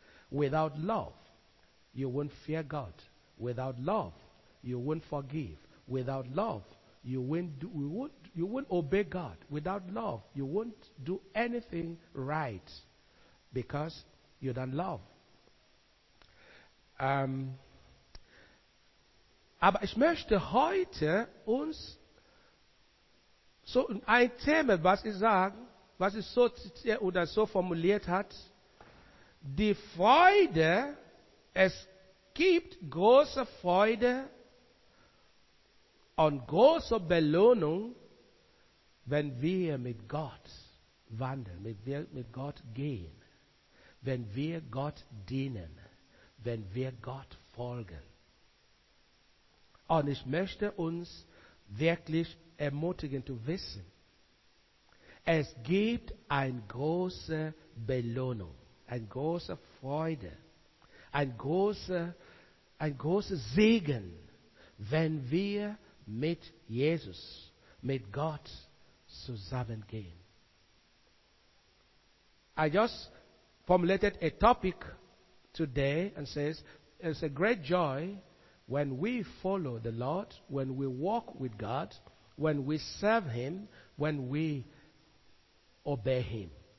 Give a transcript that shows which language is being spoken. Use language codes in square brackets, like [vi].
[en] Without love, you won't fear God. Without love, you won't forgive. Without love, you won't obey God. Without love, you won't do anything right because you don't love. [de] Aber ich möchte heute uns so ein Thema, was ich sage, was ich so zitiert oder so formuliert hat, die Freude, es gibt große Freude und große Belohnung, wenn wir mit Gott wandeln, wenn wir mit Gott gehen, wenn wir Gott dienen, wenn wir Gott folgen. Und ich möchte uns wirklich ermutigen zu wissen, es gibt eine große Belohnung, eine große Freude, ein großer Segen, wenn wir mit Jesus, mit Gott zusammengehen. [en] I just formulated a topic today and says, it's a great joy when we follow the Lord, when we walk with God, when we serve Him, when we obey Him.